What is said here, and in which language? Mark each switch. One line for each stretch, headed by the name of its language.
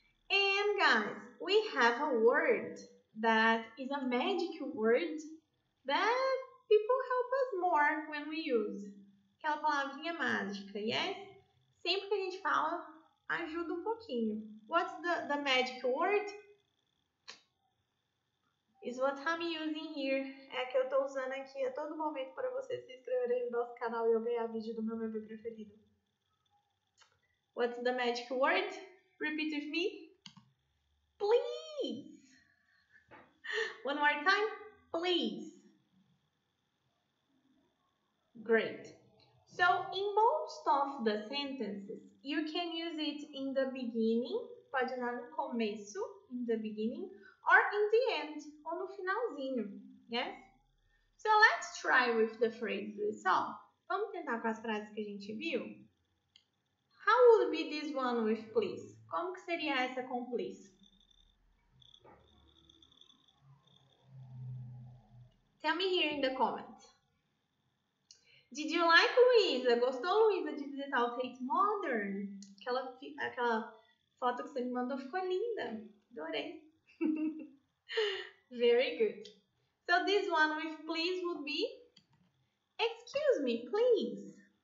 English: And guys, we have a word that is a magic word that people help us more when we use.
Portuguese: Aquela palavrinha mágica, yes? Sempre que a gente fala, ajuda um pouquinho.
English: What's the magic word? Is what I'm using here.
Portuguese: É a que eu tô usando aqui a todo momento para vocês se inscreverem no nosso canal e eu ganhar vídeo do meu bebê preferido.
English: What's the magic word? Repeat with me. Please. One more time. Please. Great. So, in most of the sentences, you can use it in the beginning.
Portuguese: Pode usar no começo,
English: in the beginning, or in the end,
Portuguese: ou no finalzinho,
English: yes? So, let's try with the phrases we saw.
Portuguese: Vamos tentar com as frases que a gente viu?
English: How would be this one with please?
Portuguese: Como que seria essa com please?
English: Tell me here in the comments. Did you like Luisa?
Portuguese: Gostou, Luisa, de visitar o Tate Modern? Aquela foto que você me mandou ficou linda.
English: Adorei. Very good. So this one with please would be, excuse me, please.